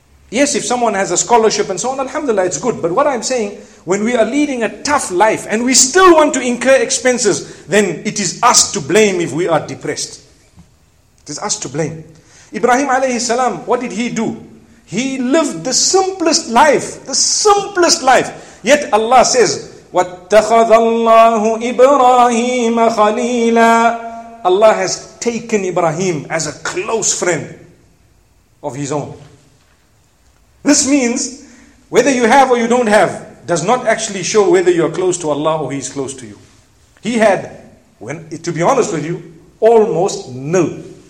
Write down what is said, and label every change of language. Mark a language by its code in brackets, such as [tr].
[en] Yes, if someone has a scholarship and so on, alhamdulillah, it's good. But what I'm saying, when we are leading a tough life and we still want to incur expenses, then it is us to blame if we are depressed. It is us to blame. Ibrahim alayhi salam, what did he do? He lived the simplest life, the simplest life. Yet Allah says, [ar] وَاتَّخَذَ اللَّهُ إِبْرَاهِيمَ خَلِيلًا. [en] Allah has taken Ibrahim as a close friend of his own. This means, whether you have or you don't have, does not actually show whether you are close to Allah or He is close to you. He had, when to be honest with you, almost nil.